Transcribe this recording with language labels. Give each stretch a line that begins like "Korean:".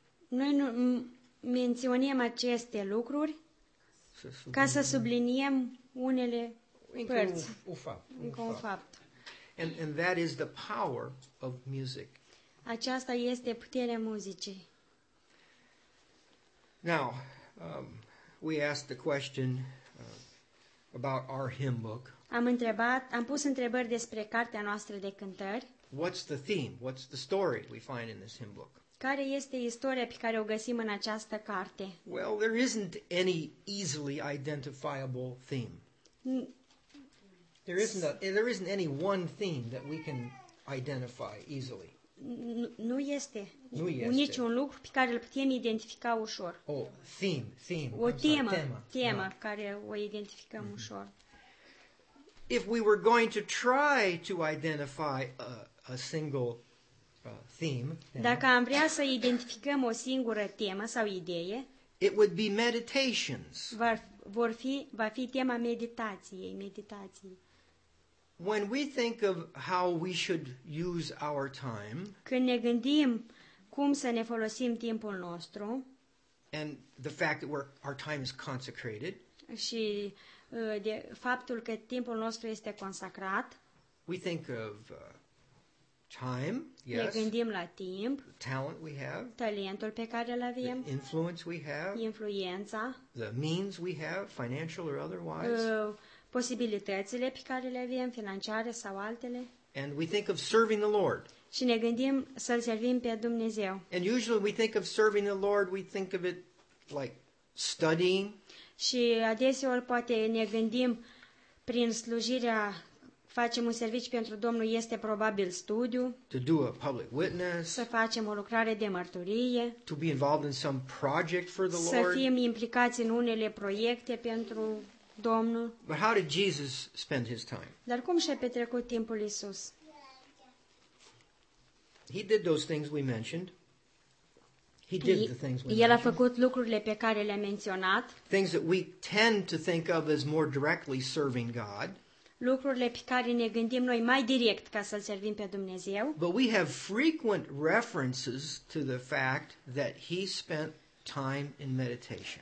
Romanian: Noi nu menționăm aceste lucruri ca să subliniem unele părți. Un fapt.
English: And that is the power of music.
Romanian: Aceasta este puterea muzicii.
English: Now, we asked the question about our hymn book.
Romanian: Am pus întrebări despre cartea noastră de cântări.
English: What's the theme? What's the story we find in this hymn book?
Romanian: Care este istoria pe care o găsim în această carte?
English: Well, there isn't any easily identifiable theme. There isn't any one theme that we can identify easily.
Romanian: Nu este niciun lucru pe care îl putem identifica ușor. O temă care o identificăm ușor.
English: If we were going to try to identify a single theme,
Romanian: dacă am vrea să identificăm o singură temă sau idee,
English: it would be meditations.
Romanian: Va fi tema meditației.
English: When we think of how we should use our time,
Romanian: când ne gândim cum să ne folosim timpul nostru,
English: and the fact that our time is consecrated,
Romanian: și de faptul că timpul nostru este consacrat,
English: we think of time, yes.
Romanian: Ne gândim la timp,
English: talent we have,
Romanian: talentul pe care îl avem,
English: influence we have,
Romanian: influența,
English: the means we have, financial or otherwise,
Romanian: posibilitățile pe care le avem, financiare sau altele.
English: And we think of serving the Lord.
Romanian: Și ne gândim să-L servim pe Dumnezeu.
English: And usually we think of serving the Lord, we think of it like studying.
Romanian: Și adeseori poate ne gândim prin slujirea, facem un serviciu pentru Domnul, este probabil studiu.
English: To do a public witness.
Romanian: Să facem o lucrare de mărturie.
English: To be involved in some project for the Lord.
Romanian: Să fim implicați în unele proiecte pentru Domnul.
English: But how did Jesus spend his time?
Romanian: Dar cum și-a petrecut timpul Iisus?
English: He did those things we mentioned. He did the things we mentioned.
Romanian: El a făcut lucrurile pe care le-a menționat.
English: Things that we tend to think of as more directly serving God.
Romanian: Lucrurile pe care ne gândim noi mai direct ca să-L servim pe Dumnezeu.
English: But we have frequent references to the fact that he spent time in meditation.